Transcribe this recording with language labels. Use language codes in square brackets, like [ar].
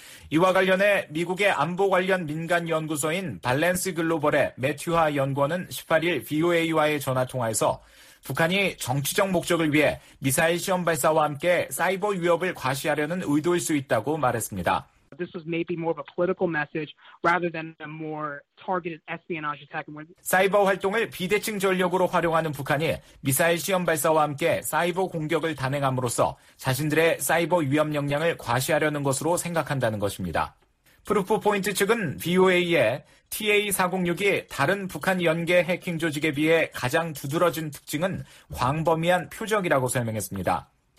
[ko] 이와 관련해 미국의 안보 관련 민간 연구소인 발렌스 글로벌의 매튜하 연구원은 18일 VOA와의 전화통화에서 북한이 정치적 목적을 위해 미사일 시험 발사와 함께 사이버 위협을 과시하려는 의도일 수 있다고 말했습니다. [en] This was maybe more of a political message rather than a more targeted espionage attack. [ko] 사이버 활동을 비대칭 전력으로 활용하는 북한이 미사일 시험 발사와 함께 사이버 공격을 단행함으로써 자신들의 사이버 위협 역량을 과시하려는 것으로 생각한다는 것입니다. 프루프 포인트 측은 VOA에 TA-406이 다른 북한 연계 해킹 조직에 비해 가장 두드러진 특징은 광범위한 표적이라고 설명했습니다.